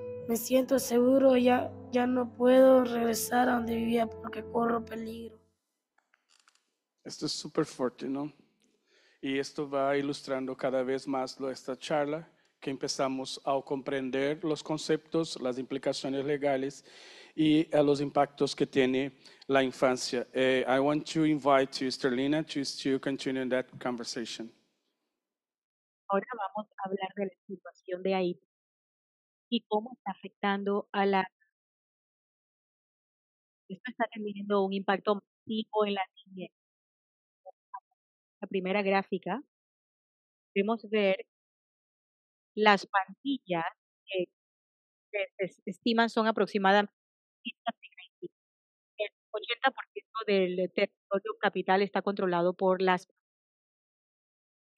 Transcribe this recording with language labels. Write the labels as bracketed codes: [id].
[es] Me siento seguro, ya no puedo regresar a donde vivía porque corro peligro. Esto es súper fuerte, ¿no? Y esto va ilustrando cada vez más esta charla, que empezamos a comprender los conceptos, las implicaciones legales y los impactos que tiene la infancia. [en] I want to invite you, Sterlina, to still continue that conversation. [es] Ahora vamos a hablar de la situación de Haití y cómo está afectando a la... Esto está teniendo un impacto masivo en la niñez. La primera gráfica, podemos ver las pandillas que se estiman son aproximadamente el 80% del territorio capital está controlado por las pandillas.